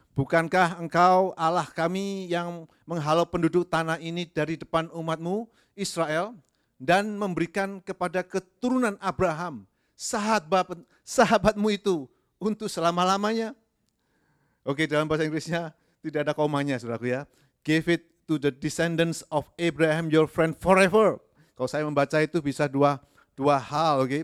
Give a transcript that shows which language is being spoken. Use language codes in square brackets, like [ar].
[id] Bukankah engkau Allah kami yang menghalau penduduk tanah ini dari depan umatmu, Israel, dan memberikan kepada keturunan Abraham, sahabatmu itu, untuk selama-lamanya? Oke, dalam bahasa Inggrisnya tidak ada komanya, saudaraku ya. [en] Give it to the descendants of Abraham, your friend forever. [id] Kalau saya membaca itu bisa dua hal, oke.